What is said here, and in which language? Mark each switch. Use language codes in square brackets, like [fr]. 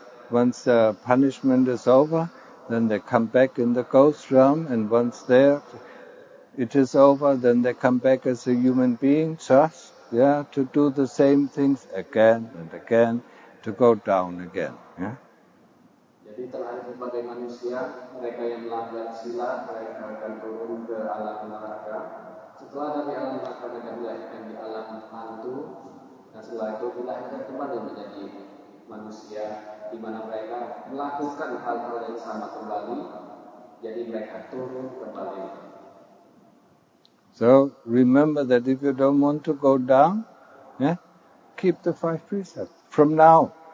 [en] Once their punishment is over, then they come back in the ghost realm, and once there it is over, then they come back as a human being, just, yeah, to do the same things again and again, to go down again, yeah. [id] Jadi terakhir sebagai manusia, mereka yang melanggar sila, mereka akan turun ke alam neraka. Setelah dari alam neraka, mereka dilahirkan di alam hantu. Dan setelah itu, dilahirkan kembali menjadi manusia, di mana mereka melakukan hal-hal yang sama kembali. Jadi mereka turun kembali. [en] So, remember that if you don't want to go down, yeah, keep the five precepts from now.